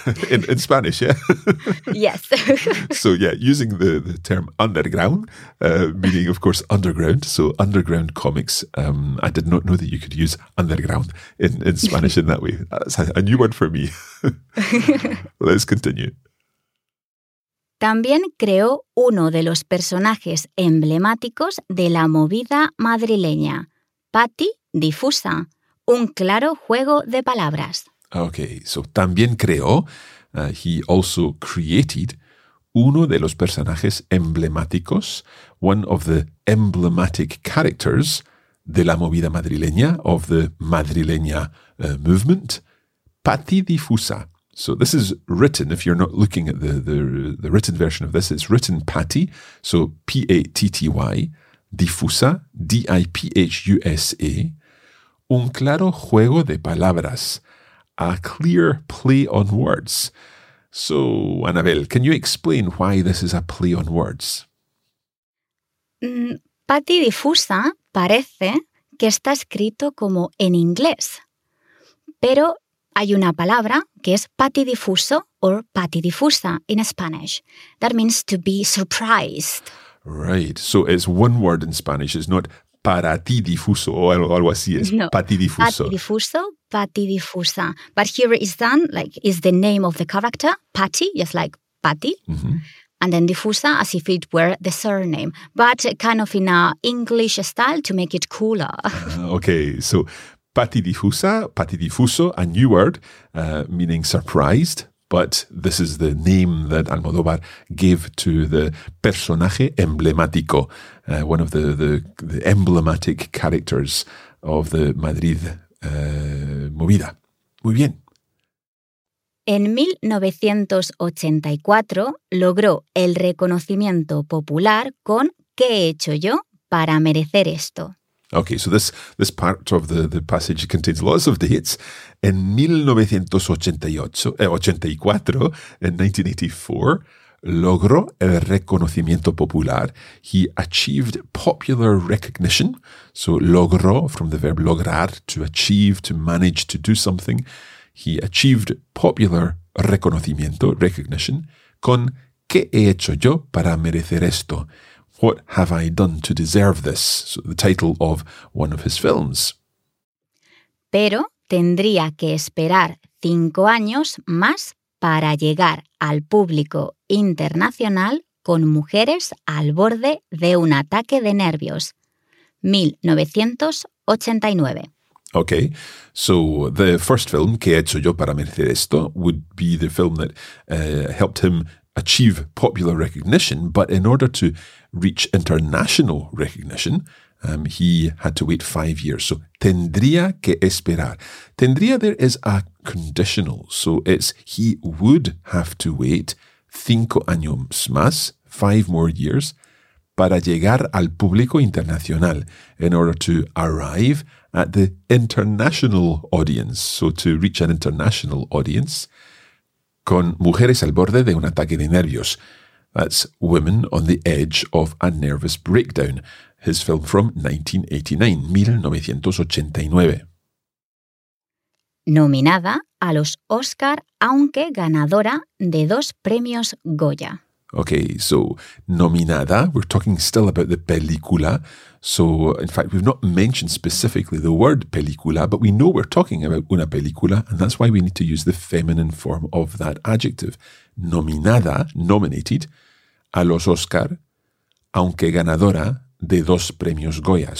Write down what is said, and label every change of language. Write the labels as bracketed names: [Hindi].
[English] in Spanish, yeah? Yes. So, yeah, using the term underground, meaning, of course, underground. So, underground comics. I did not know that you could use underground in Spanish in that way. That's a new word for me. Let's continue. [Spanish] También creó uno de los personajes emblemáticos de la movida madrileña, Patty Difusa, un claro juego de palabras. [English] Okay, so [Spanish] también creó, [English] he also created, [Spanish] uno de los personajes emblemáticos, [English] one of the emblematic characters [Spanish] de la movida madrileña, [English] of the madrileña movement, Pati Difusa. So this is written, if you're not looking at the written version of this, it's written Pati, so P-A-T-T-Y, Difusa, D-I-P-H-U-S-A, [Spanish] un claro juego de palabras, [English] a clear play on words. So, Anabel, can you explain why this is a play on words? [Spanish] Pati Difusa parece que está escrito como en inglés, pero hay una palabra que es patidifuso or patidifusa [English] in Spanish. That means to be surprised. Right. So it's one word in Spanish. It's not [Spanish] para ti difuso o algo así. Es no. Patidifuso. Patidifuso, patidifusa. [English] But here is done, like, is the name of the character, Pati, just like Pati. Mm-hmm. And then difusa as if it were the surname, but kind of in a English style to make it cooler. Okay. So Pati Difusa, Pati Difuso, a new word, meaning surprised, but this is the name that Almodóvar gave to the personaje emblemático, one of the emblematic characters of the Madrid movida. [Spanish] Muy bien. En 1984 logró el reconocimiento popular con ¿Qué he hecho yo para merecer esto? [English] Okay, so this part of the passage contains lots of dates. [Spanish] En 1984, [English] in 1984, [Spanish] logró el reconocimiento popular. [English] He achieved popular recognition. So logró, from the verb lograr, to achieve, to manage, to do something. He achieved popular [Spanish] reconocimiento, [English] recognition, [Spanish] con ¿Qué he hecho yo para merecer esto? [English] What have I done to deserve this? So the title of one of his films. [Spanish] Pero tendría que esperar 5 años más para llegar al público internacional con Mujeres al borde de un ataque de nervios. 1989. [English] Okay, so the first film, [Spanish] ¿Qué he hecho yo para merecer esto?, [English] would be the film that helped him achieve popular recognition, but in order to reach international recognition, he had to wait 5 years. So, [Spanish] tendría que esperar. Tendría [English] there is a conditional. So, it's he would have to wait [Spanish] 5 años más, [English] 5 more years, [Spanish] para llegar al público internacional, [English] in order to arrive at the international audience. So, to reach an international audience. [Spanish] Con mujeres al borde de un ataque de nervios. [English] That's Women on the Edge of a Nervous Breakdown, his film from 1989. [Spanish] Nominada a los Oscar, aunque ganadora de 2 premios Goya. [English] Okay, so nominada, we're talking still about the película. So, in fact, we've not mentioned specifically the word película, but we know we're talking about una película, and that's why we need to use the feminine form of that adjective. [Spanish] Nominada, [English] nominated, [Spanish] a los Oscar, aunque ganadora de 2 premios Goya.